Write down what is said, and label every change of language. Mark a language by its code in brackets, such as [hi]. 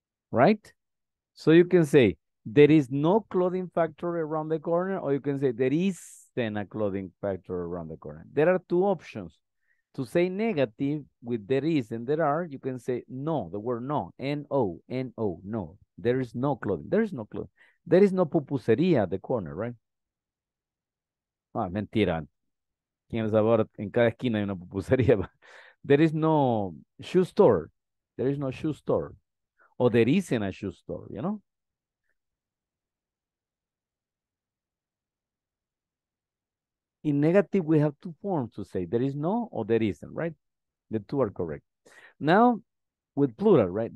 [en] Right? So you can say, there is no clothing factory around the corner, or you can say, there is then a clothing factory around the corner. There are two options. To say negative with there is and there are, you can say no, the word no, N-O, N-O, no. There is no clothing. There is no clothing. There is no pupusería at the corner, right? [es] Ah, mentira. ¿Quién sabe ahora en cada esquina hay una pupusería? [en] There is no shoe store. There is no shoe store. Or there isn't a shoe store, you know? In negative, we have two forms to say there is no or there isn't, right? The two are correct. Now, with plural, right?